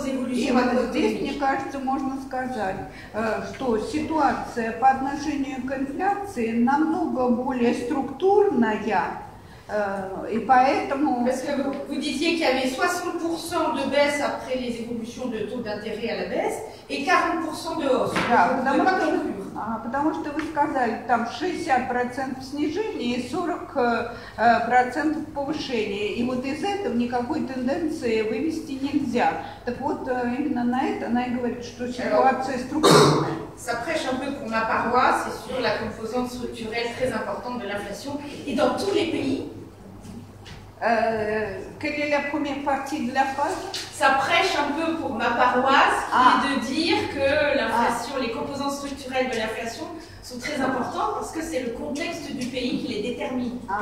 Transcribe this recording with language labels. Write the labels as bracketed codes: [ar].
[ru] И вот здесь, мне кажется, можно сказать, что ситуация по отношению к инфляции намного более структурная, и поэтому... Вы говорите, что было [fr] 60% de baisse après les évolutions de taux d'intérêt à la baisse, [ru] и [fr] 40% de hausse. [ru] Да, потому что вы сказали, там 60% снижения и 40% повышения. И вот из этого никакой тенденции вывести нельзя. Так вот, именно на это она и говорит, что ситуация структурная. [fr] Ça prêche un peu pour ma paroisse, c'est sûr, la composante structurelle très importante de l'inflation. Et dans tous les pays... Quelle est la première partie de la phrase? Ça prêche un peu pour ma paroisse, qui est de dire que l'inflation, les composantes structurelles de l'inflation sont très importantes parce que c'est le contexte du pays qui les détermine.